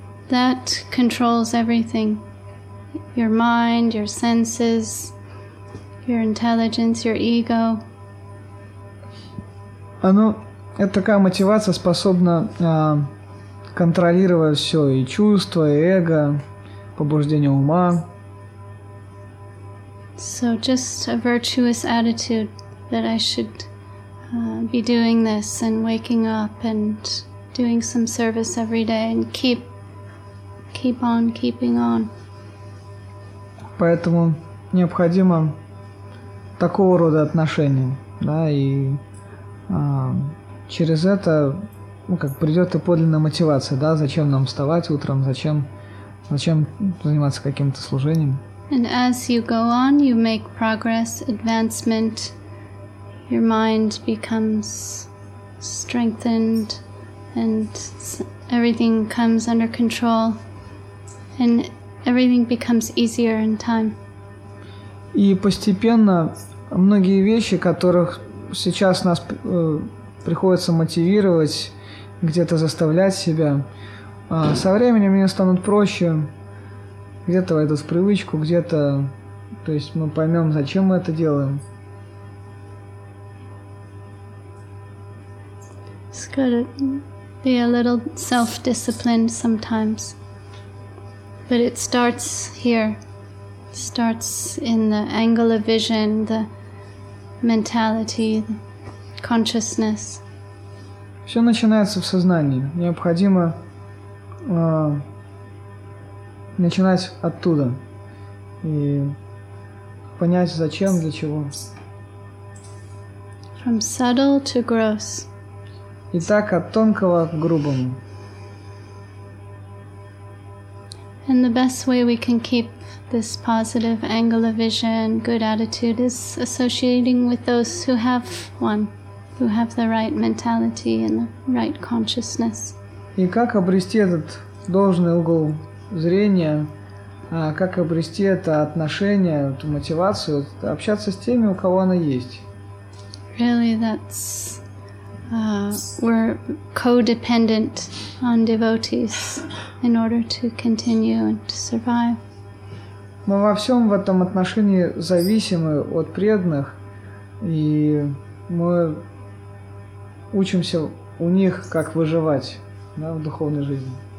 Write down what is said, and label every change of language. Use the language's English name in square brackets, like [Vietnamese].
[English] That controls everything. Your mind, your senses, your intelligence, your ego. [Russian] Оно, это такая мотивация, способна контролировать все, и чувства, и эго, побуждение ума. [English] So just a virtuous attitude that I should be doing this and waking up and doing some service every day and keep on keeping on. [Russian] Поэтому необходимо такого рода отношения, да, и через это, ну, как придет и подлинная мотивация, да, зачем нам вставать утром, зачем заниматься каким-то служением. [English] And as you go on, you make progress, advancement, your mind becomes strengthened, and everything comes under control, and everything becomes easier in time. [Russian] И постепенно многие вещи, которых сейчас нас приходится мотивировать, где-то заставлять себя, со временем они станут проще. Где-то войдут в привычку, где-то... То есть мы поймем, зачем мы это делаем. [English] It's gotta be a little self-disciplined sometimes. But it starts here. It starts in the angle of vision, the mentality, the consciousness. [Russian] Все начинается в сознании. Необходимо... начинать оттуда и понять, зачем, для чего. [English] From subtle to gross. [Russian] Итак, от тонкого к грубому. [English] And the best way we can keep this positive angle of vision, good attitude, is associating with those who have one, who have the right mentality and the right consciousness. [Russian] И как обрести этот должный угол зрение, как обрести это отношение, эту мотивацию, общаться с теми, у кого она есть. [English] Really, that's we're codependent on devotees in order to continue and to survive. [Russian] Мы во всем в этом отношении зависимы от преданных, и мы учимся у них, как выживать, да, в духовной жизни.